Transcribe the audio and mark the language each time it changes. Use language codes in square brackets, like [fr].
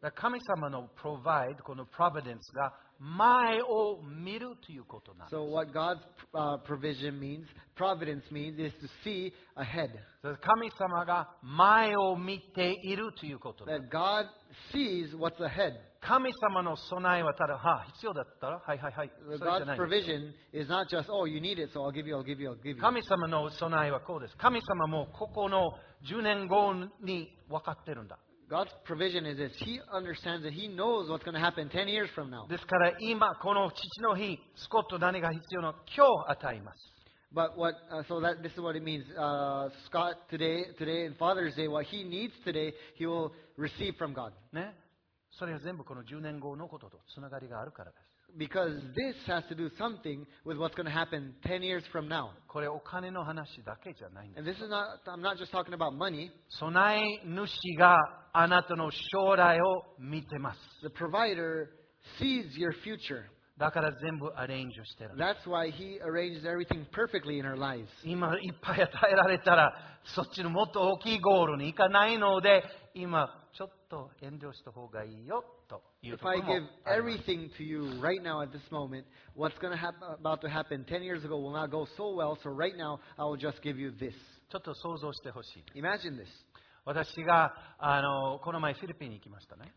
[ja] 神様の provide, この providence が前を見るということなんです。 [en] So what God's provision means, providence means, is to see ahead. [ja] 神様が前を見ているということなんです。 [en] That God sees what's ahead. [ja] 神様の備えはただ、はあ、必要だったら、はいはいはい。 [en] God's provision is not just, oh, you need it, so I'll give you. [ja] 神様の備えはこうです。神様もここの10年後に分かってるんだ。 [en] God's provision is this. He understands that He knows what's going to happen 10 years from now. [ja] ですから今この父の日、スコット何が必要の今日与えます。 [en] But what, so that, this is what it means. Scott today, today and Father's Day, what he needs today, he will receive from God. [ja] ね。それは全部この10年後のこととつながりがあるからです。 [en] Because this has to do something with what's going to happen 10 years from now. [ja] これお金の話だけじゃないんです。 [en] And this is not, I'm not just talking about money. [ja] 備え主があなたの将来を見てます。 [en] The provider sees your future. [ja] だから全部アレンジしてる。 [en] That's why he arranges everything perfectly in our lives. [ja] 今いっぱい与えられたらそっちのもっと大きいゴールに行かないので今ちょっと遠慮した方がいいよ。 [en] If I give everything to you right now at this moment, what's going to happen, about to happen 10 years ago will not go so well, so right now I will just give you this. [ja] ちょっと想像してほしい。 [en] Imagine this. [ja] 私があのこの前フィリピンに行きましたね。